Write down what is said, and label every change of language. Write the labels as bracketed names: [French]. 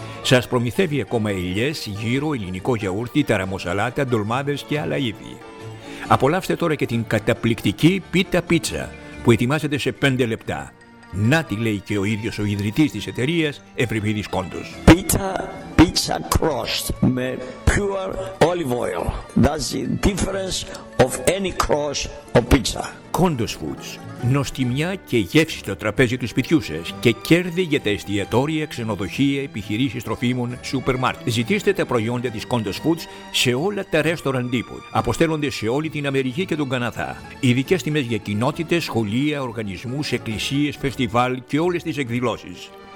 [Greek] Σας προμηθεύει ακόμα ελιές, γύρο, ελληνικό γιαούρτι, ταραμοσαλάτα, ντολμάδες και άλλα ύφη. Απολαύστε τώρα και την καταπληκτική πίτα πίτσα που ετοιμάζεται σε 5 λεπτά. Να τη λέει και ο ίδιος ο ιδρυτής της εταιρείας, Ευρυπίδης Κόντος. [English] Pizza, pizza crust [Greek] με [English] pure olive oil. That's the difference of any crust or pizza. Kondos Foods. [Greek] Νοστιμιά και γεύση στο τραπέζι του σπιτιού σας και κέρδη για τα εστιατόρια, ξενοδοχεία, επιχειρήσεις τροφίμων, σούπερ μάρκετ. Ζητήστε τα προϊόντα της Kondos Foods σε όλα τα restaurant τύπου. Αποστέλλονται σε όλη την Αμερική και τον Καναδά. Ειδικές τιμές για κοινότητες, σχολεία, οργανισμούς, εκκλησίες, φεστιβάλ και όλες τις εκδηλώσεις.